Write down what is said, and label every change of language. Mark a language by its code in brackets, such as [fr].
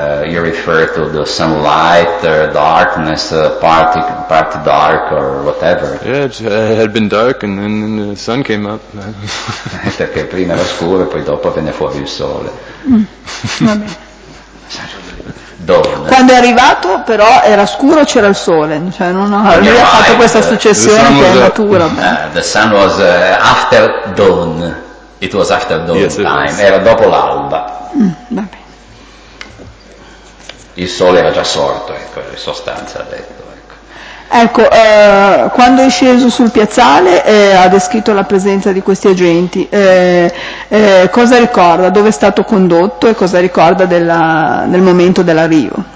[en] You refer to the sunlight or darkness, part dark or whatever. Yeah, it had been dark and then the sun came up. [it] Perché prima era scuro e poi dopo venne fuori il sole. Va bene. Donne. Quando è arrivato però era scuro, c'era il sole, cioè lui ha fatto questa successione che è natura. [en] The sun was after dawn, it was after dawn, yes, [it] time, era dopo l'alba. Vabbè. Il sole era già sorto, ecco, in sostanza ha detto. Ecco, ecco, quando è sceso sul piazzale ha descritto la presenza di questi agenti, cosa ricorda, dove è stato condotto e cosa ricorda del momento dell'arrivo?